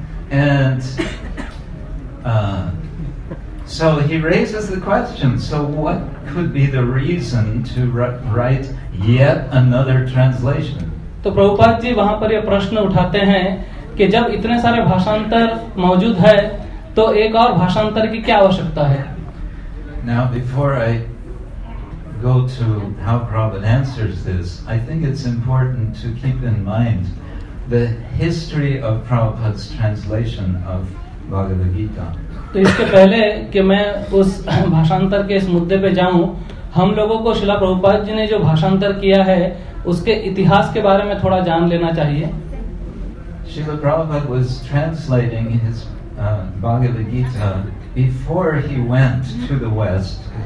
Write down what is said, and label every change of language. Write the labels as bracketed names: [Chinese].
[English] And so he raises the question, so what could be the reason to write yet another translation? [Hindi] तो प्रभुपाद जी वहां पर ये प्रश्न उठाते हैं कि जब इतने सारे भाषांतर मौजूद है तो एक और भाषांतर की क्या आवश्यकता है. [English] Now before I go to how Prabhupada answers this, I think it's important to keep in mind the history of Prabhupada's translation of Bhagavad Gita. [Hindi] तो इसके पहले कि मैं उस भाषांतर के इस मुद्दे पे जाऊं, हम लोगों को श्रील प्रभुपाद जी ने जो भाषांतर किया है उसके इतिहास के बारे में थोड़ा जान लेना चाहिए. [English] Srila Prabhupada was translating his Bhagavad Gita before he went to the West.